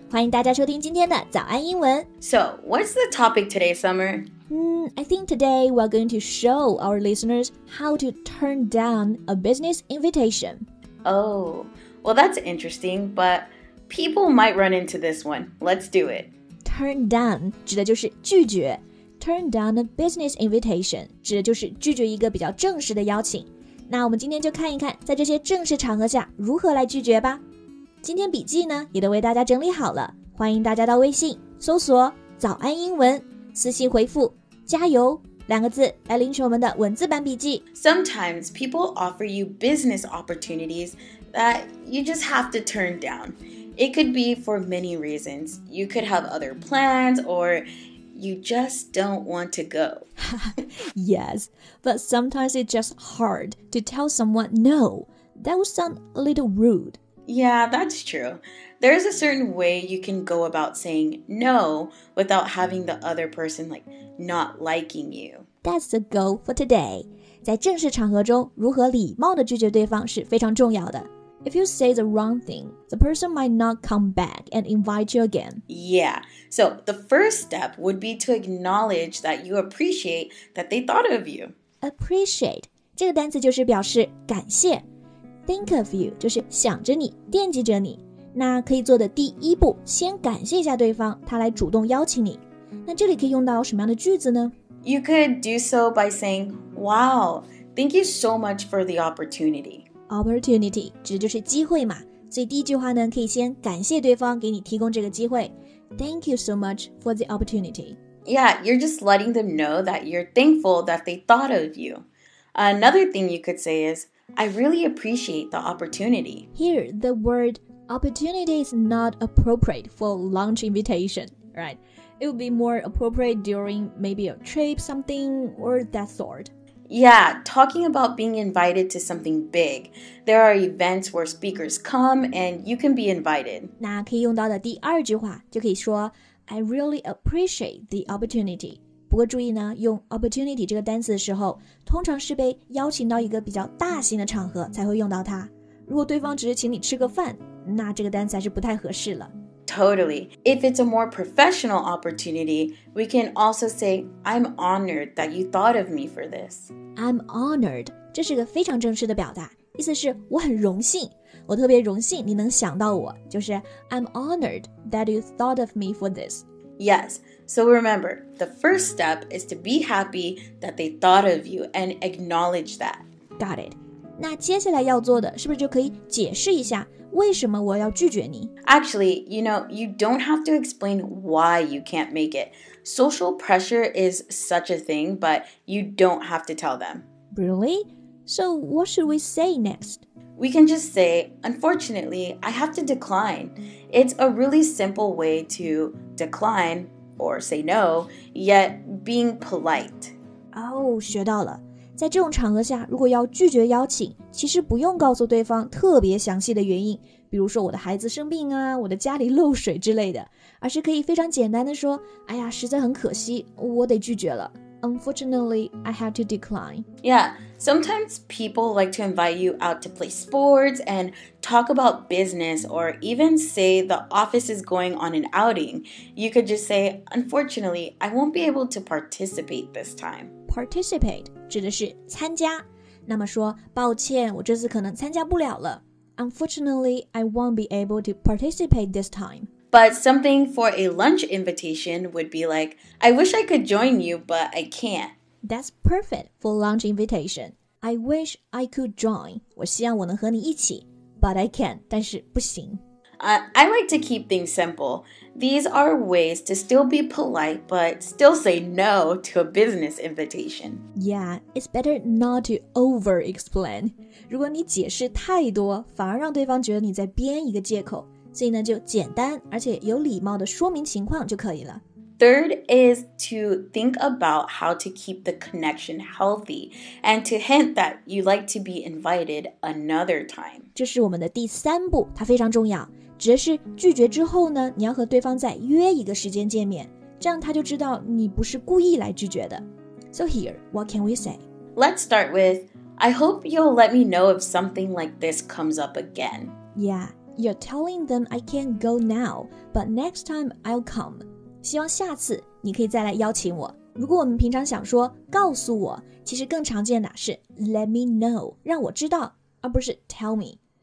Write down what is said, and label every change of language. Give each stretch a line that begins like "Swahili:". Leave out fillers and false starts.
Chinese: 欢迎大家收听今天的早安英文。
English: So, what's the topic today, Summer? I think today we're going to show our listeners how to turn down a business invitation. Oh, well, that's interesting, but people might run into this one. Let's do it.
Chinese: Turn down 指的就是拒绝。
English: Turn down a business invitation
Chinese: 指的就是拒绝一个比较正式的邀请。那我们今天就看一看在这些正式场合下如何来拒绝吧。今天笔记呢也都为大家整理好了，欢迎大家到微信搜索早安英文，私信回复加油两个字来领取我们的文字版笔记。
English: Sometimes people offer you business opportunities that you just have to turn down. It could be for many reasons. You could have other plans or you just don't want to go. Yes, but sometimes it's just hard to tell someone no. That would sound a little rude. Yeah, that's true. There's a certain way you can go about saying no without having the other person like not liking you. That's the goal for today.
Chinese: 在正式场合中如何礼貌地拒绝对方是非常重要的。
English: If you say the wrong thing, the person might not come back and invite you again. Yeah, so the first step would be to acknowledge that you appreciate that they thought of you.
Chinese: Appreciate, 这个单词就是表示感谢。
English: Think of you,
Chinese: 就是想着你，惦记着你。那可以做的第一步，先感谢一下对方，他来主动邀请你。那这里可以用到什么样的句子呢？
English: You could do so by saying, Wow, thank you so much for the opportunity.
Chinese: Opportunity 指的就是机会嘛，所以第一句话呢，可以先感谢对方给你提供这个机会。
English: Thank you so much for the opportunity. Yeah, you're just letting them know that you're thankful that they thought of you. Another thing you could say is, I really appreciate the opportunity. Here, the word opportunity is not appropriate for lunch invitation, right? It would be more appropriate during maybe a trip, something, or that sort. Yeah, talking about being invited to something big. There are events where speakers come and you can be invited.
Chinese: 那可以用到的第二句话就可以说
English: I really appreciate the opportunity.
Chinese: 不过注意呢，用 opportunity 这个单词的时候，通常是被邀请到一个比较大型的场合才会用到它。如果对方只是请你吃个饭，那这个单词还是不太合适了。
English: Totally. If it's a more professional opportunity, we can also say, I'm honored that you thought of me for this. I'm honored.
Chinese: 这是个非常正式的表达，意思是我很荣幸，我特别荣幸你能想到我，就是
English: I'm honored that you thought of me for this. Yes. So remember, the first step is to be happy that they thought of you and acknowledge that. Got it.
Chinese: 那接下来要做的是不是就可以解释一下为什么我要拒绝你?
English: Actually, you know, you don't have to explain why you can't make it. Social pressure is such a thing, but you don't have to tell them. Really? So what should we say next? We can just say, unfortunately, I have to decline. It's a really simple way to decline or say no, yet being polite.
Chinese: Oh, 学到了。在这种场合下如果要拒绝邀请其实不用告诉对方特别详细的原因比如说我的孩子生病啊我的家里漏水之类的而是可以非常简单的说哎呀实在很可惜我得拒绝了
English: Unfortunately, I have to decline. Yeah, sometimes people like to invite you out to play sports and talk about business or even say the office is going on an outing. You could just say, unfortunately, I won't be able to participate this time. Participate.
Chinese: 指的是参加，那么说抱歉，我这次可能参加不了了。
English: Unfortunately, I won't be able to participate this time. But something for a lunch invitation would be like, I wish I could join you, but I can't. That's perfect for lunch invitation. I wish I could join.
Chinese: 我希望我能和你一起
English: but I can't.
Chinese: 但是不行。
English: I like to keep things simple. These are ways to still be polite, but still say no to a business invitation. Yeah, it's better not to over-explain.
Chinese: 如果你解释太多，反而让对方觉得你在编一个借口。所以呢，就简单而且有礼貌的说明情况就可以了。
English: Third is to think about how to keep the connection healthy and to hint that you'd like to be invited another time.
Chinese: 这是我们的第三步，它非常重要。只是拒绝之后呢，你要和对方再约一个时间见面，这样他就知道你不是故意来拒绝的。
English: So here, what can we say? Let's start with, I hope you'll let me know if something like this comes up again. Yeah, you're telling them I can't go now, but next time I'll come.
Chinese: 希望下次你可以再来邀请我。如果我们平常想说告诉我，其实更常见的是
English: let me know,
Chinese: 让我知道，而不是
English: tell me。